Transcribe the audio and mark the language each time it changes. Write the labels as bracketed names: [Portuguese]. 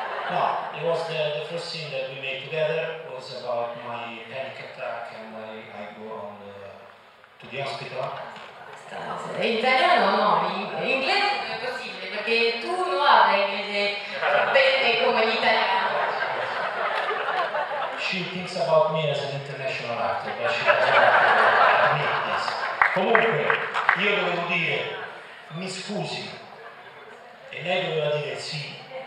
[English] No, it was the first scene that we made together. It was about my panic attack and I go on to the hospital. [Italian] Italiano, no, inglese non è possibile, perché tu non hai l'inglese bene come l'italiano. [English] She thinks about me as an international actor, but she doesn't admit this. [Italian] Comunque, io dovevo dire, mi scusi, e lei doveva dire sì.